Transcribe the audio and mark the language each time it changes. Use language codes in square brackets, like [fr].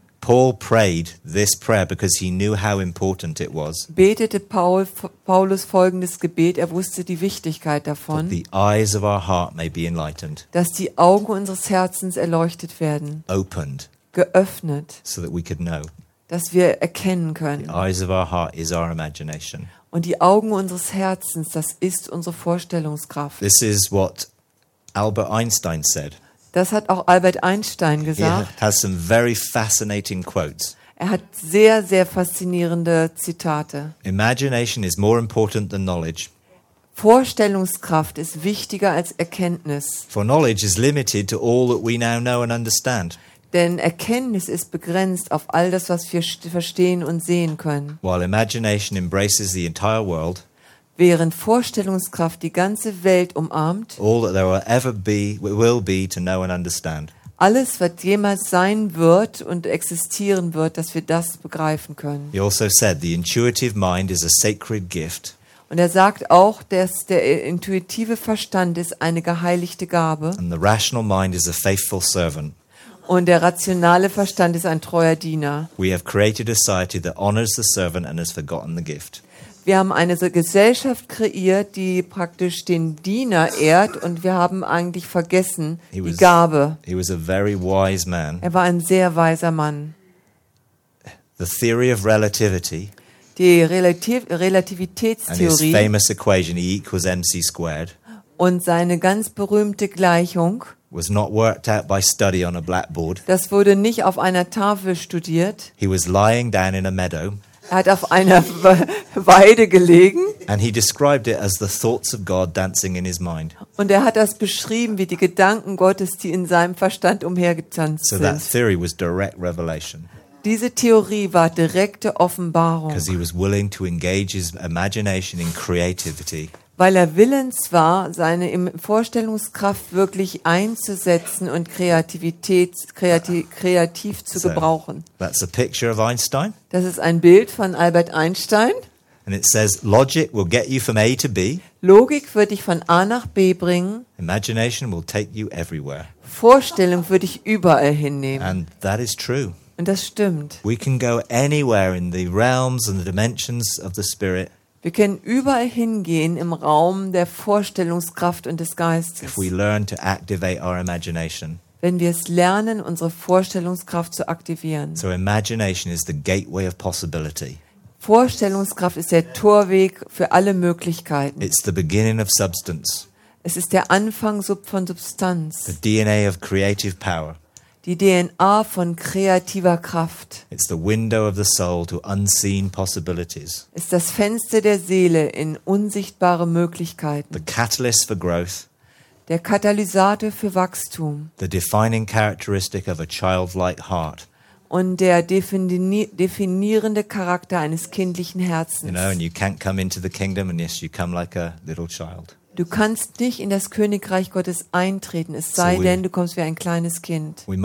[en] Paul prayed this prayer because he knew how important it was. [de] Betete Paulus folgendes Gebet. Er wusste die Wichtigkeit davon. [en] That the eyes of our heart may be enlightened. [de] Dass die Augen unseres Herzens erleuchtet werden. [en] Opened. [de] Geöffnet. [en] So that we could know. [de] Dass wir erkennen können. [en] The eyes of our heart is our imagination. [de] Und die Augen unseres Herzens, das ist unsere Vorstellungskraft. [en] This is what Albert Einstein said. [de] Das hat auch Albert Einstein gesagt. [en] He has some very fascinating quotes. [de] Er hat sehr, sehr faszinierende Zitate. [en] Imagination is more important than knowledge. [de] Vorstellungskraft ist wichtiger als Erkenntnis. [en] For knowledge is limited to all that we now know and understand. [de] Denn Erkenntnis ist begrenzt auf all das, was wir verstehen und sehen können. [en] While imagination embraces the entire world. [de] Während Vorstellungskraft die ganze Welt umarmt. [en] All that there will ever be, will be to know and understand. [de] Alles, was jemals sein wird und existieren wird, dass wir das begreifen können. [en] He also said, the intuitive mind is a sacred gift. [de] Und er sagt auch, dass der intuitive Verstand ist eine geheiligte Gabe. [en] And the rational mind is a faithful servant. [de] Und der rationale Verstand ist ein treuer Diener. [en] We have created a society that honors the servant and has forgotten the gift. [de] Wir haben eine Gesellschaft kreiert, die praktisch den Diener ehrt und wir haben eigentlich vergessen die Gabe. [en] He was a very wise man. [de] Er war ein sehr weiser Mann. [en] The theory of relativity. [de] Die Relativitätstheorie. [en] And his famous equation E equals mc squared. [de] Und seine ganz berühmte Gleichung. [en] Was not worked out by study on a blackboard. [de] Das wurde nicht auf einer Tafel studiert. [en] He was lying down in a meadow. [de] Er hat auf einer Weide gelegen. [en] And he described it as the thoughts of God dancing in his mind. [de] Und er hat das beschrieben wie die Gedanken Gottes, die in seinem Verstand umhergetanzt sind. [en] So that theory was direct revelation. [de] Diese Theorie war direkte Offenbarung. [en] Because he was willing to engage his imagination in creativity. [de] Weil er willens war, seine Vorstellungskraft wirklich einzusetzen und Kreativität kreativ zu gebrauchen. [en] That's a picture of Einstein. [de] Das ist ein Bild von Albert Einstein. [en] And it says, logic will get you from A to B. [de] Logik wird dich von A nach B bringen. [en] Imagination will take you everywhere. [de] Vorstellung wird dich überall hinnehmen. [en] And that is true. [de] Und das stimmt. [en] We can go anywhere in the realms and the dimensions of the spirit. [de] Wir können überall hingehen im Raum der Vorstellungskraft und des Geistes. [en] If we learn to activate our imagination. [de] Wenn wir es lernen, unsere Vorstellungskraft zu aktivieren. [en] So imagination is the gateway of possibility. [de] Vorstellungskraft ist der Torweg für alle Möglichkeiten. [en] It's the beginning of substance. [de] Es ist der Anfang von Substanz. [en] The DNA of creative power. [de] Die DNA von kreativer Kraft. [en] It's the window of the soul to unseen possibilities. [de] Ist das Fenster der Seele in unsichtbare Möglichkeiten. [en] The catalyst for growth. [de] Der Katalysator für Wachstum. [en] The defining characteristic of a childlike heart. [de] Und der definierende Charakter eines kindlichen Herzens. [en] You know, and you can't come into the kingdom unless you come like a little child. [de] Du kannst nicht in das Königreich Gottes eintreten, es sei denn, du kommst wie ein kleines Kind.